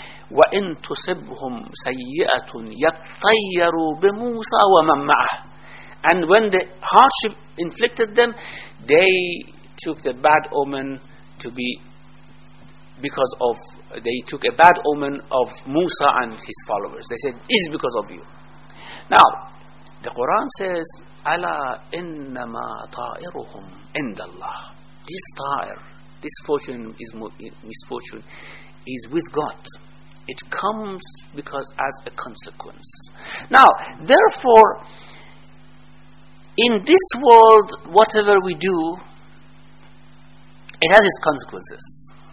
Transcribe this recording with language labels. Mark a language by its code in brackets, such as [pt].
[ar] وَإِن تُصِبْهُمْ سَيِّئَةٌ يَطَّيَّرُوا بِمُوسَى وَمَنْ مَعَهُ. [en] And when the hardship inflicted them, they took the bad omen to be because of, they took a bad omen of Musa and his followers. They said, it's because of you. Now, the Quran says, [ar] أَلَا إِنَّمَا طَائِرُهُمْ عِنْدَ اللَّهِ. [en] This tire, this fortune is misfortune, is with God. It comes because as a consequence. Now, therefore, in this world, whatever we do, it has its consequences.